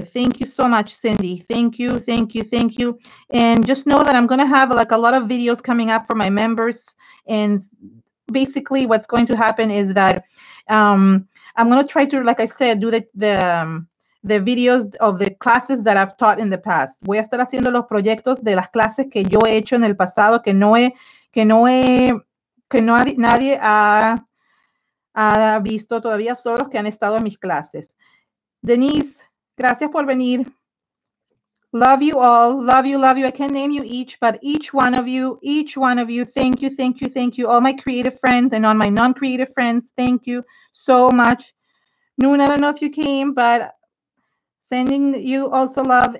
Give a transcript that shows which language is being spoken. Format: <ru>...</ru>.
<en>Thank you so much, Cindy. Thank you, thank you, thank you. And just know that I'm going to have like a lot of videos coming up for my members. And basically what's going to happen is that I'm going to try to, like I said, do the videos of the classes that I've taught in the past.</en> <es>Voy a estar haciendo los proyectos de las clases que yo he hecho en el pasado, nadie ha visto todavía, solo los que han estado en mis clases. Denise, gracias por venir.</es> <en>Love you all. Love you, love you. I can't name you each, but each one of you, thank you, thank you, thank you. All my creative friends and all my non-creative friends, thank you so much. Noon, I don't know if you came, but sending you also love.</en>